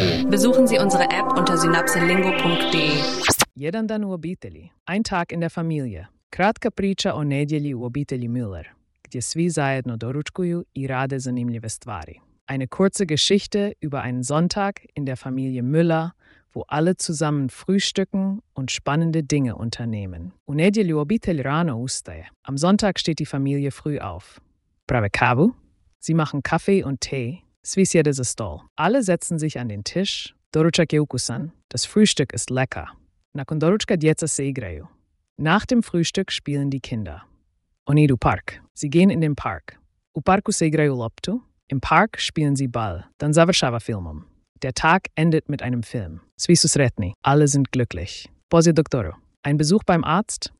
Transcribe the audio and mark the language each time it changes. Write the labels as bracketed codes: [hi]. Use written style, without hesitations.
[de] Besuchen Sie unsere App unter synapselingo.de. [hr] Jedan dan u obitelji. [de] Ein Tag in der Familie. [hr] Kratka priča o nedjelji u obitelji Müller, gdje svi zajedno doručkuju i rade zanimljive stvari. [de] Eine kurze Geschichte über einen Sonntag in der Familie Müller, wo alle zusammen frühstücken und spannende Dinge unternehmen. [hr] U nedjelju obitelj rano ustaje. [de] Am Sonntag steht die Familie früh auf. [hr] Prave kavu? [de] Sie machen Kaffee und Tee. [hr] Svi sjede za stol. [de] Alle setzen sich an den Tisch. [hr] Doručak je ukusan. [de] Das Frühstück ist lecker. [hr] Nakon doručka djeca se igraju. [de] Nach dem Frühstück spielen die Kinder. [hr] Oni idu park. [de] Sie gehen in den Park. [hr] U parku se igraju loptu. [de] Im Park spielen sie Ball. [hr] Dan završava filmom. [de] Der Tag endet mit einem Film. [hr] Svi su sretni. [de] Alle sind glücklich. [hr] Pozdrav doktoru. [de] Ein Besuch beim Arzt.